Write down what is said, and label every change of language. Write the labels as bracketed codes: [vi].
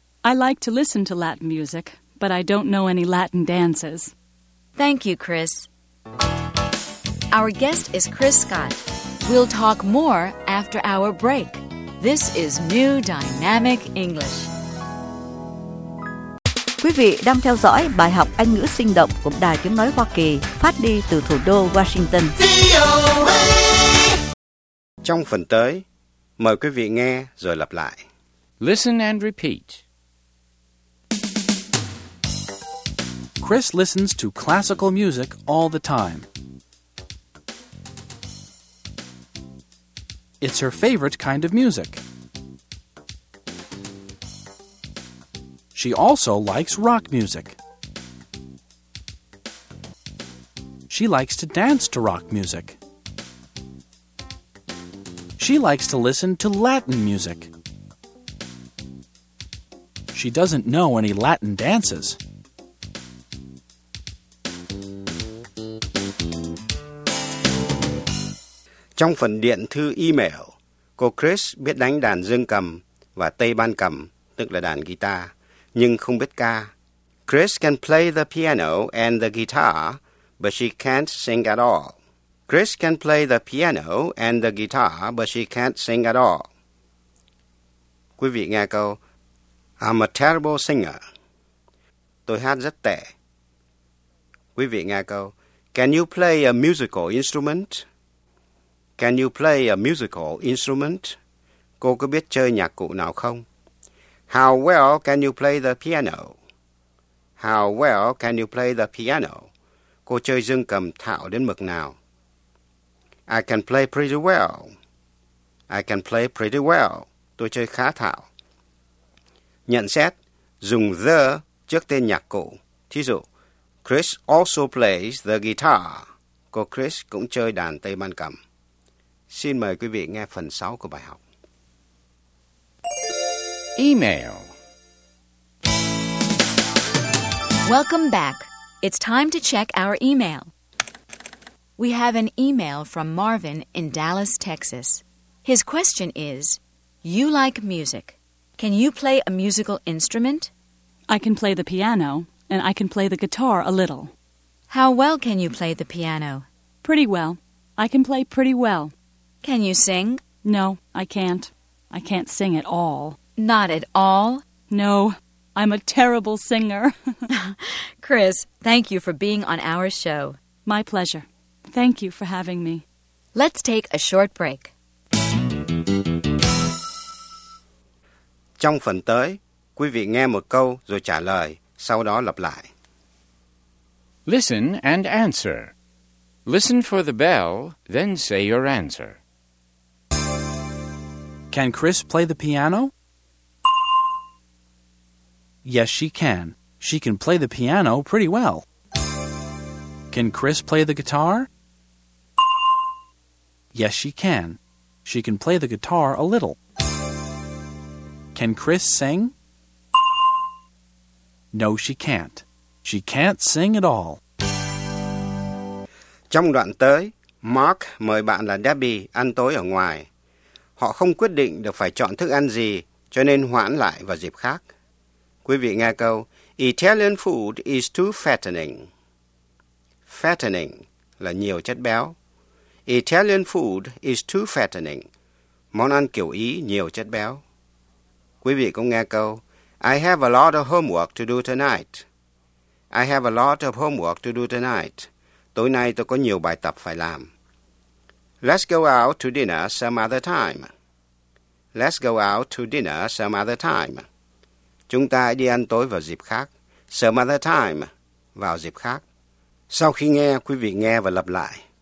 [en] I like to listen to Latin music, but I don't know any Latin dances. Thank you, Chris. Our guest is Chris Scott. We'll talk more after our break. This is New Dynamic English. [vi] Quý vị đang theo dõi bài học Anh ngữ sinh động của Đài Tiếng nói Hoa Kỳ phát đi từ thủ đô Washington. Trong phần tới, mời quý vị nghe rồi lặp lại. [en] Listen and repeat. Chris listens to classical music all the time. It's her favorite kind of music. She also likes rock music. She likes to dance to rock music. She likes to listen to Latin music. She doesn't know any Latin dances. [vi] Trong phần điện thư email, cô Chris biết đánh đàn dương cầm và tây ban cầm, tức là đàn guitar, nhưng không biết ca. [en] Chris can play the piano and the guitar, but she can't sing at all. Chris can play the piano and the guitar, but she can't sing at all. [vi] Quý vị nghe câu, [en] I'm a terrible singer. [vi] Tôi hát rất tệ. Quý vị nghe câu, [en] can you play a musical instrument? Can you play a musical instrument? [vi] Cô có biết chơi nhạc cụ nào không? [en] How well can you play the piano? How well can you play the piano? [vi] Cô chơi dương cầm thạo đến mực nào? [en] I can play pretty well. I can play pretty well. [vi] Tôi chơi khá thạo. Nhận xét, dùng the trước tên nhạc cụ. Thí dụ, [en] Chris also plays the guitar. [vi] Cô Chris cũng chơi đàn tây ban cầm. Xin mời quý vị nghe phần 6 của bài học. [en] Email. Welcome back. It's time to check our email. We have an email from Marvin in Dallas, Texas. His question is, you like music. Can you play a musical instrument? I can play the piano, and I can play the guitar a little. How well can you play the piano? Pretty well. I can play pretty well. Can you sing? No, I can't. I can't sing at all. Not at all? No, I'm a terrible singer. Chris, thank you for being on our show. My pleasure. Thank you for having me. Let's take a short break. [vi] Trong phần tới, quý vị nghe một câu rồi trả lời, sau đó lặp lại. [en] Listen and answer. Listen for the bell, then say your answer. Can Chris play the piano? Yes, she can. She can play the piano pretty well. Can Chris play the guitar? Yes, she can. She can play the guitar a little. Can Chris sing? No, she can't. She can't sing at all. [vi] Trong đoạn tới, Mark mời bạn là Debbie ăn tối ở ngoài. Họ không quyết định được phải chọn thức ăn gì, cho nên hoãn lại vào dịp khác. Quý vị nghe câu, [en] Italian food is too fattening. [vi] Fattening là nhiều chất béo. [en] Italian food is too fattening. [vi] Món ăn kiểu Ý nhiều chất béo. Quý vị cũng nghe câu, [en] I have a lot of homework to do tonight. I have a lot of homework to do tonight. [vi] Tối nay tôi có nhiều bài tập phải làm. [en] Let's go out to dinner some other time. Let's go out to dinner some other time. [vi] Chúng ta đi ăn tối vào dịp khác. [en] Some other time. [vi] Vào dịp khác. Sau khi nghe, quý vị nghe và lặp lại.